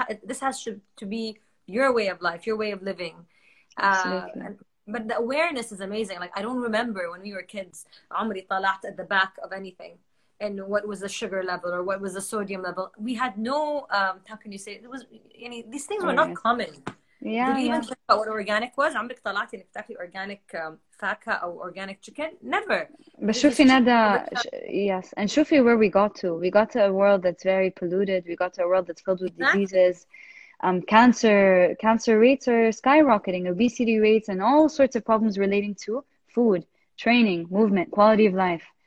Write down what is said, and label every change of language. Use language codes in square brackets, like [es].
[en] This has to be your way of life, your way of living. But the awareness is amazing. Like, I don't remember when we were kids, [ar] عمري طلعت [en] at the back of anything, and what was the sugar level or what was the sodium level. We had no, how can you say, it was, you know, these things were not common. Yeah, did we even think about what organic was? [ar] عمرك طلعتي انك تاكلي organic فاكهة أو [en] organic chicken? Never. But [ar] شوفي ندى, [en] yes, and [ar] شوفي [en] where we got to. We got to a world that's very polluted. We got to a world that's filled with diseases. Cancer rates are skyrocketing, obesity rates, and all sorts of problems relating to food, training, movement, quality of life.